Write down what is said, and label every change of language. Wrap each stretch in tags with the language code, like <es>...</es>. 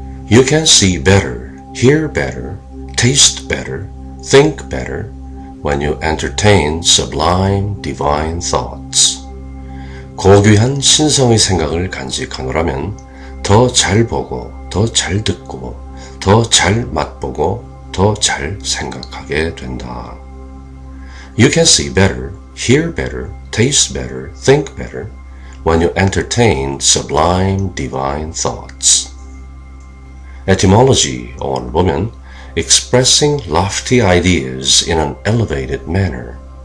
<en>You can see better, hear better, taste better, think better when you entertain sublime divine thoughts.</en> <ko>고귀한 신성의 생각을 간직하노라면 더 잘 보고, 더 잘 듣고, 더 잘 맛보고, 더 잘 생각하게 된다.</ko> <en>You can see better, hear better, taste better, think better when you entertain sublime divine thoughts. Etymology,</en> <ko>오늘 보면,</ko> <en>expressing lofty ideas in an elevated manner.</en>